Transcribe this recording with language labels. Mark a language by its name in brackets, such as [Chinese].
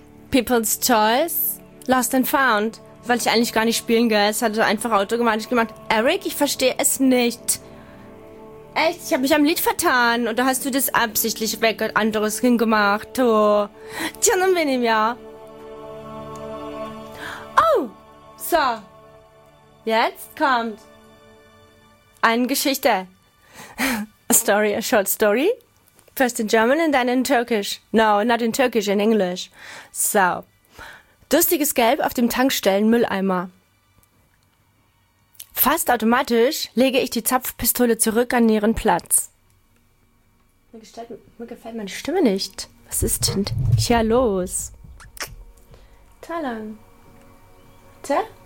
[English] People's Choice, Lost and Found. [German] Wollte ich eigentlich gar nicht spielen, gell? Es hat so einfach automatisch gemacht. Eric, ich verstehe es nicht. Echt, ich habe mich am Lied vertan. Oder hast du das absichtlich weg und anderes hingemacht? Tja, nun bin ich ja. Oh, so. Jetzt kommt eine Geschichte. [English] A story, a short story. First in German and then in Turkish. No, not in Turkish, in English. So. [German] Durstiges Gelb auf dem Tankstellenmülleimer. Fast automatisch lege ich die Zapfpistole zurück an ihren Platz. Mir gefällt meine Stimme nicht. Was ist denn hier los? Talang. Tja?